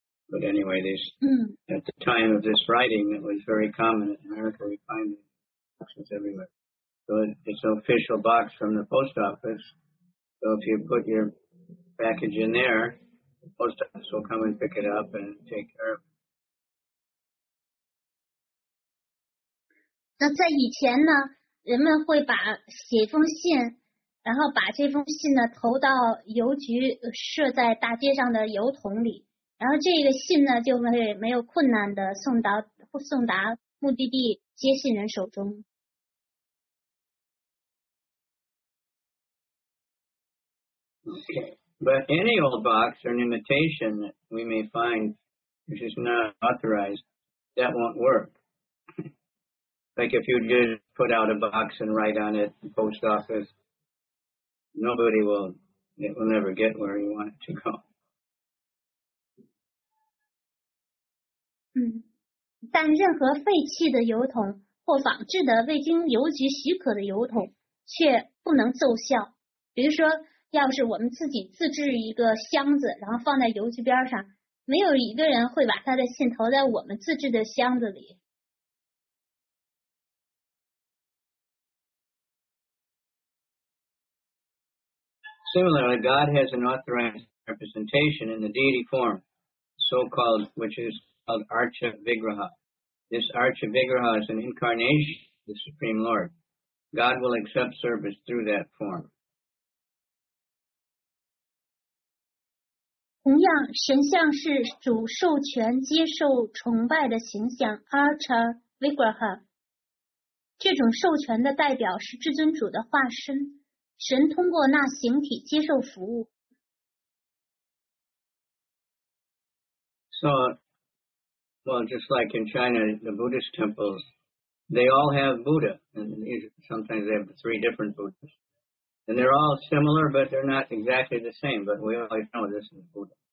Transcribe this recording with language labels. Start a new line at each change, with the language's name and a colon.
English: But anyway, this, at the time of this writing, it was very common in America. We find boxes everywhere. So it's an official box from the post office. So if you put your package in there, the post office will come and pick it up and take care of it.
Chinese: 那在以前呢, 人们会把写封信, 然后把这封信呢, 投到邮局, 设在大街上的邮筒里, 然后这个信呢, 就会没有困难地 送达目的地, 接信人手中。
English: Okay. But any old box or an imitation that we may find, which is not authorized, that won't work. Like if you just put out a box and write on it, the post office, nobody will, it will never get where you want it to go.
Chinese: 但任何废弃的邮筒或仿制的未经邮局许可的邮筒却不能奏效。比如说, 要是我们自己自制一个箱子,然后放在邮局边上, 没有一个人会把他的信投在我们自制的箱子里。
English: Similarly, God has an authorized representation in the deity form, so-called, which is called Archa Vigraha. This Archa Vigraha is an incarnation of the Supreme Lord. God will accept service through that form.
Chinese: 同样，神像是主授权接受崇拜的形象 Archa Vigraha。这种授权的代表是至尊主的化身。神通过那形体接受服务。
English: So, well, just like in China, the Buddhist temples, they all have Buddha, and sometimes they have three different Buddhas. And they're all similar, but they're not exactly the same, but we always know this is Buddha.